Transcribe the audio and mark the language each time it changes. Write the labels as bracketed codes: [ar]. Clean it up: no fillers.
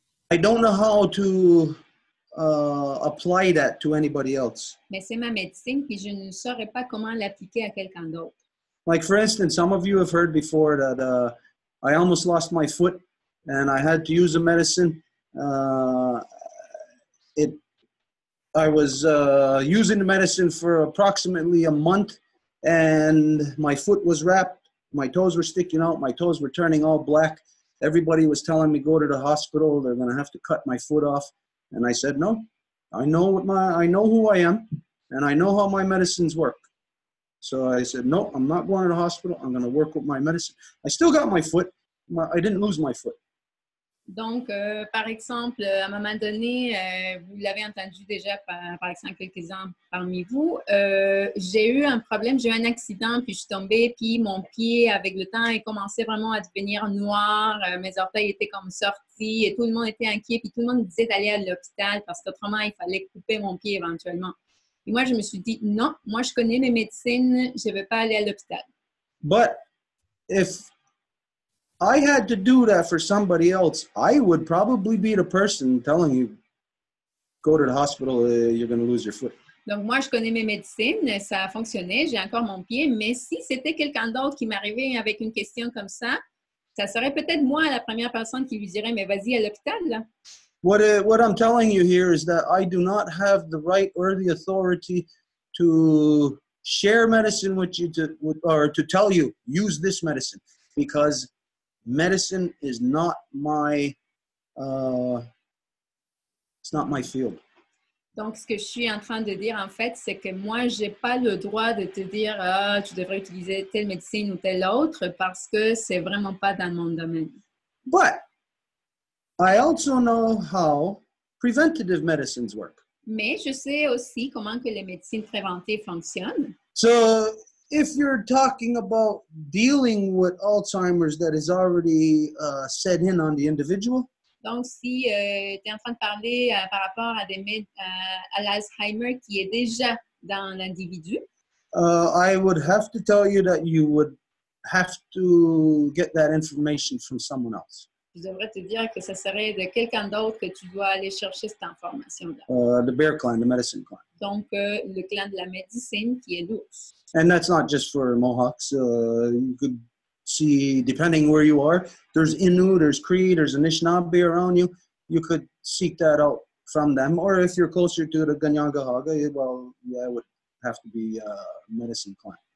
[en] I don't know how to apply that to anybody else. [fr] Mais c'est ma médecine, puis je ne saurais pas comment l'appliquer à quelqu'un d'autre. [en] Like for instance, some of you have heard before that I almost lost my foot. And I had to use a medicine. I was using the medicine for approximately a month, and my foot was wrapped, my toes were sticking out, my toes were turning all black. Everybody was telling me go to the hospital, they're gonna have to cut my foot off. And I said, no, I know who I am, and I know how my medicines work. So I said, no, I'm not going to the hospital, I'm gonna work with my medicine. I still got my foot, I didn't lose my foot. [fr] Donc, par exemple, à un moment donné, vous l'avez entendu déjà par exemple quelques uns parmi vous, j'ai eu un problème, j'ai eu un accident, puis je suis tombée, puis mon pied, avec le temps, a commencé vraiment à devenir noir, mes orteils étaient comme sortis, et tout le monde était inquiet, puis tout le monde me disait d'aller à l'hôpital, parce qu'autrement, il fallait couper mon pied éventuellement. Et moi, je me suis dit, non, moi, je connais mes médecines, je ne veux pas aller à l'hôpital. [en] But if I had to do that for somebody else, I would probably be the person telling you, go to the hospital, you're going to lose your foot. [fr] Donc, moi, je connais mes médecines, ça a fonctionné, j'ai encore mon pied, mais si c'était quelqu'un d'autre qui m'arrivait avec une question comme ça, ça serait peut-être moi la première personne qui lui dirait, mais vas-y à l'hôpital, là. [en] What I'm telling you here is that I do not have the right or the authority to share medicine with you, to tell you, use this medicine, because medicine is not my, it's not my field. [fr] Donc, ce que je suis en train de dire, en fait, c'est que moi, je n'ai pas le droit de te dire « Ah, tu devrais utiliser telle médecine ou telle autre » parce que ce n'est vraiment pas dans mon domaine. [en] But I also know how preventative medicines work. [fr] Mais je sais aussi comment que les médecines préventives fonctionnent. [en] So, if you're talking about dealing with Alzheimer's that is already set in on the individual, [fr] donc, si tu es en train de parler par rapport à, à l'Alzheimer qui est déjà dans l'individu, [en] I would have to tell you that you would have to get that information from someone else. [fr] Je devrais te dire que ce serait de quelqu'un d'autre que tu dois aller chercher cette information-là. [en] The bear clan, the medicine clan. [fr] Donc, le clan de la médecine qui est l'ours. [en] And that's not just for Mohawks. You could... See, depending where you are, there's Innu, there's Cree, there's Anishinaabe around you. You could seek that out from them. Or if you're closer to the Ganyangahaga, well, yeah, it would have to be a medicine clan.